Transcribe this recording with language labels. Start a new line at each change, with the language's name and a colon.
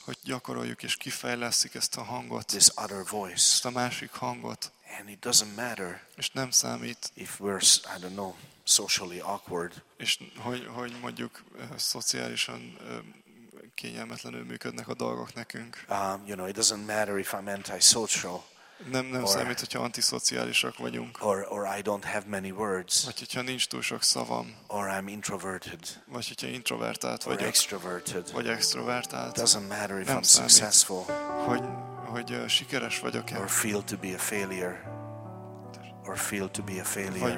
Hungarian: Hogy gyakoroljuk és kifejlesszük ezt a hangot.
English: This other voice.
Hungarian: Ezt a másik hangot.
English: And it doesn't matter.
Hungarian: És nem számít.
English: If we're, I don't know, socially awkward.
Hungarian: És hogy mondjuk szociálisan kényelmetlenül működnek a dolgok nekünk.
English: You know, it doesn't matter if I'm antisocial.
Hungarian: Nem számít, hogyha antiszociálisak vagyunk.
English: Or I don't have many words.
Hungarian: Vagy hogyha nincs túl sok szavam.
English: Or I'm introverted.
Hungarian: Vagy hogyha introvertált vagyok.
English: Or extroverted.
Hungarian: Vagy extrovertált.
English: It doesn't matter if
Hungarian: nem
English: I'm successful.
Hungarian: Hogy sikeres vagyok-e.
English: Or feel to be a failure. Or feel to be a failure.